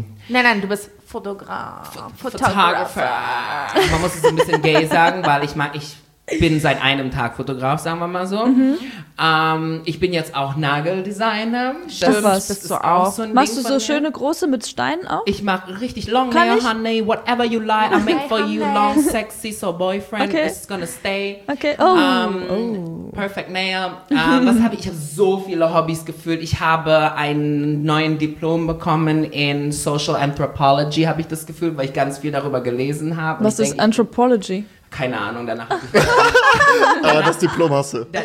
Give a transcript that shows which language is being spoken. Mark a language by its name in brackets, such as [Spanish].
[German] Nein, du bist Fotograf. Photographer. Man muss es ein bisschen gay sagen, weil ich bin seit einem Tag Fotograf, sagen wir mal so. Mhm. Ich bin jetzt auch Nageldesigner. Stimmt, das bist du auch. So machst du so schöne große mit Steinen auch? Ich mache richtig [English] long hair, honey, whatever you like. I make for you long, sexy, so boyfriend, okay. It's gonna stay. Okay, oh. Perfect nail. [German] Was habe ich? Ich habe so viele Hobbys gefühlt. Ich habe einen neuen Diplom bekommen in Social Anthropology, habe ich das Gefühl, weil ich ganz viel darüber gelesen habe. Was ist Anthropology? Keine Ahnung, danach. Aber das Diplom hast du.